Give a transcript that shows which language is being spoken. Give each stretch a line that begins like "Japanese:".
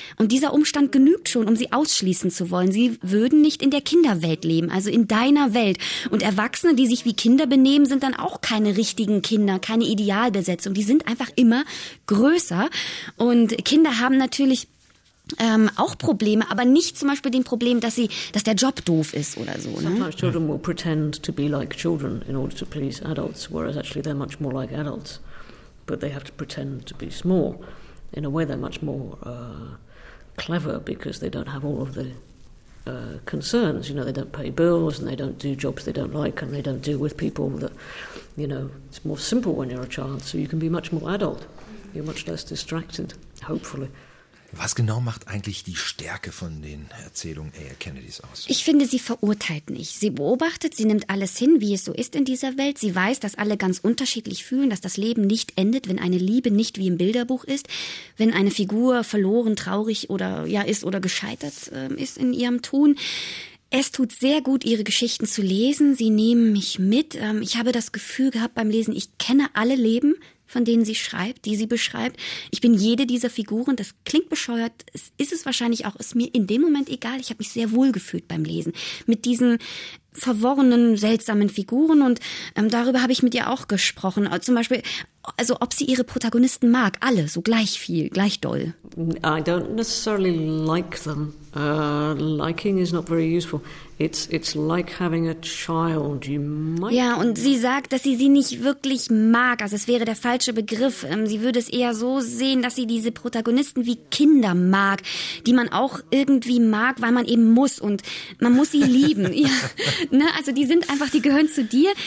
German: Und dieser Umstand genügt schon, um sie ausschließen zu wollen. Sie würden nicht in der Kinderwelt leben, also in deiner Welt. Und Erwachsene, die sich wie Kinder benehmen, sind dann auch keine richtigen Kinder, keine Idealbesetzung. Die sind einfach immer größer. Und Kinder haben natürlich auch Probleme, aber nicht zum Beispiel den Problem, dass der Job doof ist oder so. Ne?
English: Sometimes children will pretend to be like children in order to please adults, whereas actually they're much more like adults, but they have to pretend to be small. In a way they're much more clever because they don't have all of the concerns. You know, they don't pay bills and they don't do jobs they don't like and they don't deal with people that, you know, it's more simple when you're a child, so you can be much more adult. You're much less distracted, hopefully.
German: Was genau macht eigentlich die Stärke von den Erzählungen A.L. Kennedys aus? Ich finde, sie verurteilt nicht. Sie beobachtet, sie nimmt alles hin, wie es so ist in dieser Welt. Sie weiß, dass alle ganz unterschiedlich fühlen, dass das Leben nicht endet, wenn eine Liebe nicht wie im Bilderbuch ist, wenn eine Figur verloren, traurig oder ja ist oder gescheitert ist in ihrem Tun. Es tut sehr gut, ihre Geschichten zu lesen. Sie nehmen mich mit. Ich habe das Gefühl gehabt beim Lesen, ich kenne alle Leben, von denen sie schreibt, die sie beschreibt. Ich bin jede dieser Figuren. Das klingt bescheuert, es ist es wahrscheinlich auch, ist mir in dem Moment egal. Ich habe mich sehr wohl gefühlt beim Lesen mit diesen verworrenen, seltsamen Figuren. Und darüber habe ich mit ihr auch gesprochen. Zum Beispiel, also ob sie ihre Protagonisten mag, alle, so gleich viel, gleich doll.
English: I don't necessarily like them. Liking is not very useful. It's like having a child. You might...
German: Ja, und sie sagt, dass sie nicht wirklich mag. Also es wäre der falsche Begriff. Sie würde es eher so sehen, dass sie diese Protagonisten wie Kinder mag, die man auch irgendwie mag, weil man eben muss. Und man muss sie lieben. Ja. Ne? Also die sind einfach, die gehören zu dir.